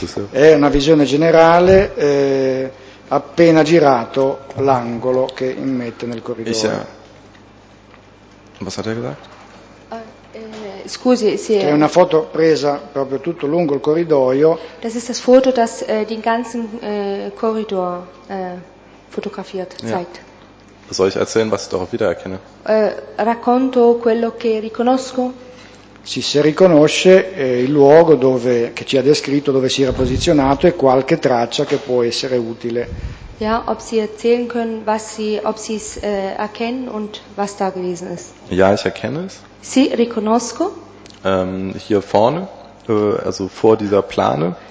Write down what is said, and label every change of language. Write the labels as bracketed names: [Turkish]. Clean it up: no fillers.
[Italian] È una visione generale, appena girato l'angolo che immette nel corridoio. [German] Ich, was hat er gesagt? [Italian] Scusi, sì. È una foto presa proprio tutto lungo il corridoio. [German] Das ist das Foto, das den ganzen Korridor fotografiert zeigt. Ja. Soll ich erzählen, was ich darauf wiedererkenne? [Italian] Racconto quello che riconosco? Sì, si riconosce il luogo dove che ci ha descritto, dove si era posizionato e qualche traccia che può essere utile. [German] Ja, ob Sie erzählen können, was Sie, ob Sie es erkennen und was da gewesen ist. Ja, ich erkenne es. [Italian] Sì, riconosco. [German] Hier vorne, also vor dieser Plane.